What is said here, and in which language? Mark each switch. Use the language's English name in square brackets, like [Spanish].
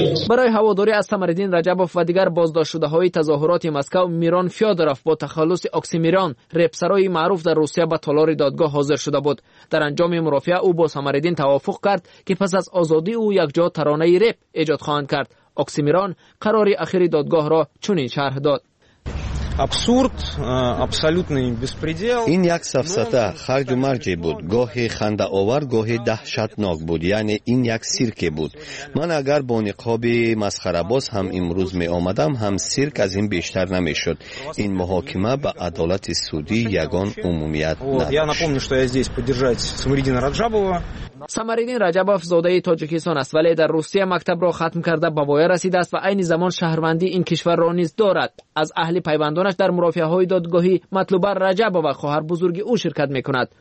[Persian] برای هواداری از سمرالدین رجبوف و دیگر بازداشت شده های تظاهرات مسکو، میران فیودوروف با تخلص اکسیمیران رپسرای معروف در روسیه به تالار دادگاه حاضر شده بود. در انجام مرافعه او با سمرالدین توافق کرد که پس از آزادی او یکجا ترانه رپ ایجاد خواهند کرد. اکسیمیران قرار اخیر دادگاه را چنین شرح داد: [Russian] абсурд абсолютный беспредел [Tajik] ин як сафсата харҷу марҷе буд гоҳи хандаовар гоҳи даҳшатнок буд яъне ин як сирке буд ман агар бо ниқоби масхарабоз ҳам имрӯз меомадам ҳам сирк аз ин бештар намешуд ин муҳокима ба адолати судӣ ягон умумият надошт [Russian] я напомню что я здесь поддержать самариддина раджабова [Tajik] самариддин раджабов зодаи тоҷикистон аст вале дар русия мактабро хатм карда ба воя расидааст ва айни замон шаҳрвандӣ ин кишварро низ дорад аз аҳли пайванд [Persian] دانش در مرافعه های دادگاهی مطلوبه رجب و خواهر بزرگ او شرکت میکند.